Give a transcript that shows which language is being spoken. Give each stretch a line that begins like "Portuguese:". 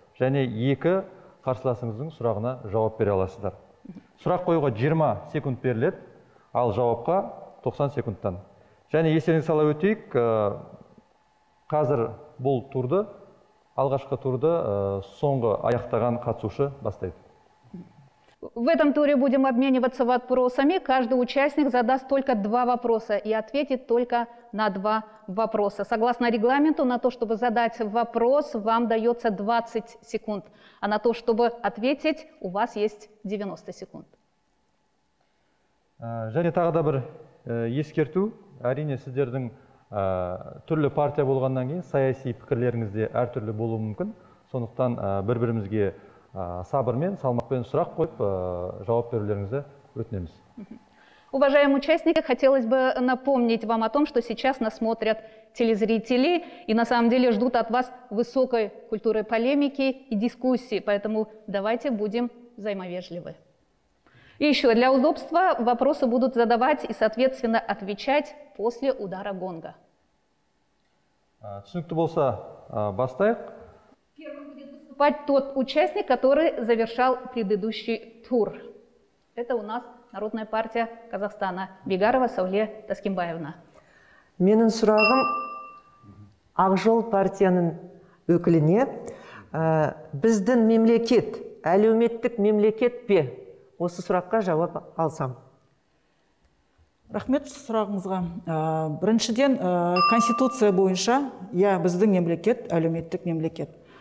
Kazakh: Және екі қарсыласыңыздың сұрағына жауап бере аласыздар. Сұрақ қоюға 20 секунд беріледі, ал жауапқа 90 секундтан. Және естеріңізге сала өтейік, қазір бұл турды, алғашқы турды соңғы аяқтаған қатысушы бастайды.
Russian: В этом туре будем обмениваться вопросами. Каждый участник задаст только 2 вопроса и ответит только на 2 вопроса. Согласно регламенту, на то, чтобы задать вопрос, вам дается 20 секунд. А на то, чтобы ответить, у вас есть 90 секунд.
Kazakh: Және тағы да бір ескерту. Әрине, сіздердің түрлі партия болғаннан кейін саяси пікірлеріңізде әртүрлі болуы мүмкін. Сондықтан бір-бірімізге сабырмен, салмақпен сұрақ қойып, жауап берулеріңізді өтінеміз.
Russian: Уважаемые участники, хотелось бы напомнить вам о том, что сейчас нас смотрят телезрители и на самом деле ждут от вас высокой культуры полемики и дискуссии, поэтому давайте будем взаимовежливы. И еще для удобства вопросы будут задавать и, соответственно, отвечать после удара гонга.
Kazakh: Түсінікті болса, бастайық.
Russian: Первым будет выступать тот участник, который завершал предыдущий тур. Это у нас Народная партия Казахстана. Бегарова Сауле Таскимбаевна.
Kazakh: Менің сұрағым Ақжол партияның өкіліне. Біздің мемлекет, әлеуметтік мемлекет пе? Осы сұраққа жауап алсам. Рахмет сұрағыңызға. Біріншіден, конституция бойынша, я біздің мемлекет, әлеуметтік мемлекет.